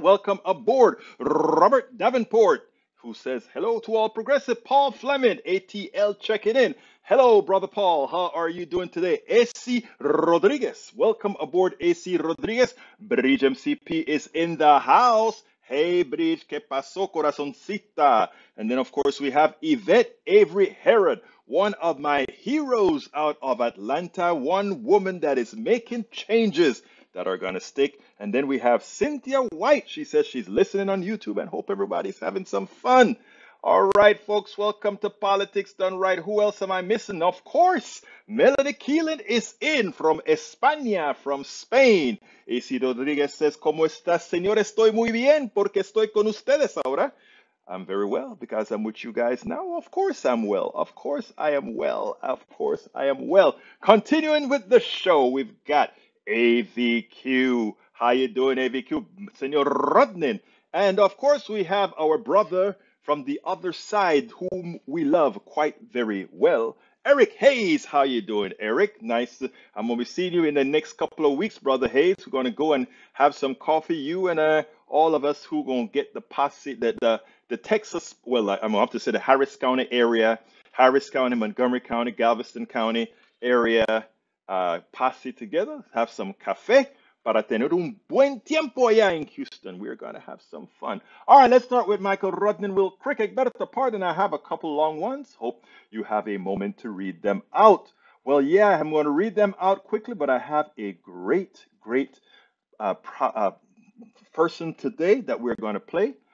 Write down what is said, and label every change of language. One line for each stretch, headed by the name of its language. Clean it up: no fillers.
English: Welcome aboard Robert Davenport, who says hello to all progressive. Paul Fleming, ATL, checking in. Hello, brother Paul. How are you doing today? AC Rodriguez, welcome aboard, AC Rodriguez. Bridge MCP is in the house.
Spanish: Hey, Bridge, ¿qué pasó, corazoncita?
English: And then, of course, we have Yvette Avery Herod, one of my heroes out of Atlanta, one woman that is making changes that are going to stick. And then we have Cynthia White. She says she's listening on YouTube and hope everybody's having some fun. All right, folks, welcome to Politics Done Right. Who else am I missing? Of course, Melody Keelan is in from España, from Spain. AC Rodriguez says,
Spanish: ¿cómo estás, señor? Estoy muy bien porque estoy con ustedes ahora.
English: I'm very well because I'm with you guys now. Of course I'm well. Of course I am well. Of course I am well. Continuing with the show, we've got AVQ. How you doing, AVQ? Señor Rodnin. And of course we have our brother from the other side, whom we love quite very well, Eric Hayes. How you doing, Eric? Nice. I'm going to be seeing you in the next couple of weeks, Brother Hayes. We're going to go and have some coffee. You and all of us who are going to get the posse, the Texas, well, I'm going to have to say the Harris County area, Harris County, Montgomery County, Galveston County area, posse together, have some café.
Spanish: Para tener un buen tiempo allá in Houston.
English: We're going to have some fun. All right, let's start with Michael Rodnin. Will Crick better the part, and I have a couple long ones. Hope you have a moment to read them out. Well, yeah, I'm going to read them out quickly, but I have a great, great person today that we're going to play.